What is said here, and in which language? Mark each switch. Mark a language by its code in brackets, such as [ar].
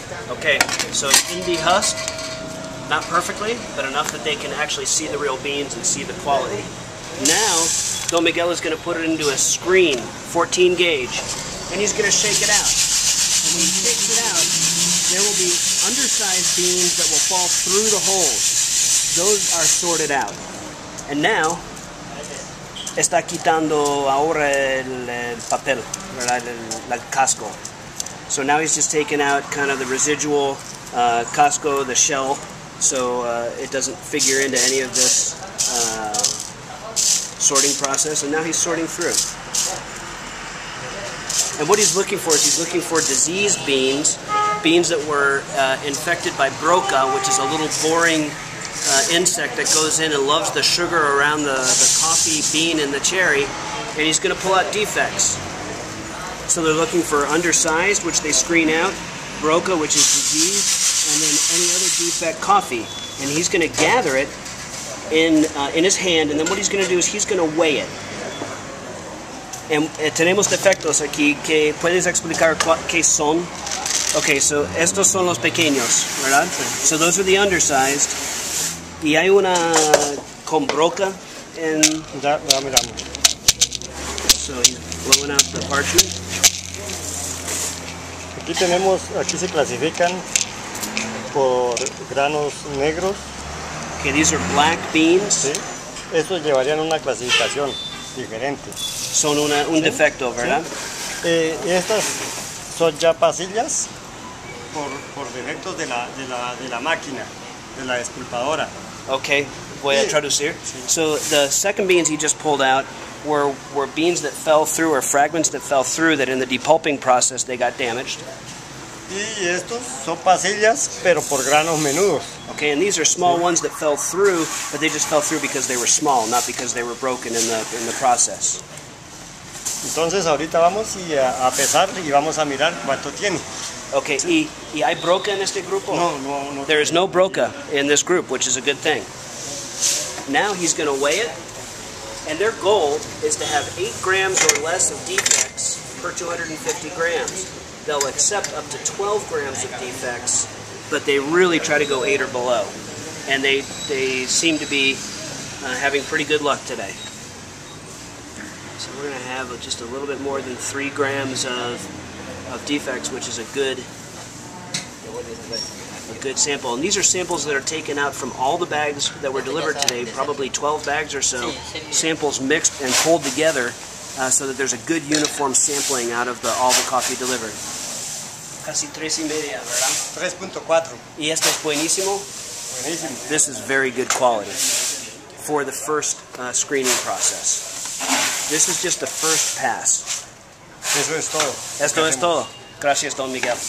[en] Okay, so it's in the husk, not perfectly, but enough that they can actually see the real beans and see the quality. Now, Don Miguel is going to put it into a screen, 14 gauge, and he's going to shake it out. And when he shakes it out, there will be undersized beans that will fall through the holes. Those are sorted out. And now, [es] está quitando ahora el papel, ¿verdad? El casco. [en] So now he's just taking out kind of the residual casco, the shell, so it doesn't figure into any of this sorting process. And now he's sorting through. And what he's looking for is he's looking for diseased beans beans that were infected by broca, which is a little boring insect that goes in and loves the sugar around the coffee bean and the cherry, and he's going to pull out defects. So they're looking for undersized, which they screen out, broca, which is disease, and then any other defect coffee. And he's going to gather it in his hand, and then what he's going to do is he's going to weigh it. [es] Tenemos defectos aquí que puedes explicar qué son. [en] Okay, so [es] estos son los pequeños, ¿verdad? [en] So those are the undersized. [es] Y hay una con broca en... Dame. [en] So he's blowing out the parchment. [es] Aquí tenemos, aquí se clasifican por granos negros. [en] Okay, these are black beans. [es] Sí, estos llevarían una clasificación diferente. Son un sí. Defecto, ¿verdad? Sí. Estas son ya pasillas por defectos de la máquina, de la esculpadora. Okay, voy a traducir. Sí. [en] So the second beans he just pulled out were beans that fell through, or fragments that fell through, that in the depulping process they got damaged. [es] Y estos son pasillas, pero por granos menudos. [en] Okay, and these are small ones that fell through, but they just fell through because they were small, not because they were broken in the process. [es] Entonces ahorita vamos a pesar y vamos a mirar cuánto tiene. Okay, sí. ¿Y hay broca en este grupo? No. [en] There is no broca in this group, which is a good thing. Now he's going to weigh it, and their goal is to have 8 grams or less of defects per 250 grams. They'll accept up to 12 grams of defects, but they really try to go 8 or below. And they seem to be having pretty good luck today. So we're going to have just a little bit more than 3 grams of defects, which is a good sample. And these are samples that are taken out from all the bags that were delivered today, probably 12 bags or so, samples mixed and pulled together so that there's a good uniform sampling out of all the coffee delivered. [es] Casi 3.5, ¿verdad? 3.4. ¿Y esto es buenísimo? Buenísimo. [en] This is very good quality for the first screening process. This is just the first pass. [es] Eso es todo. Esto es todo. Gracias, Don Miguel.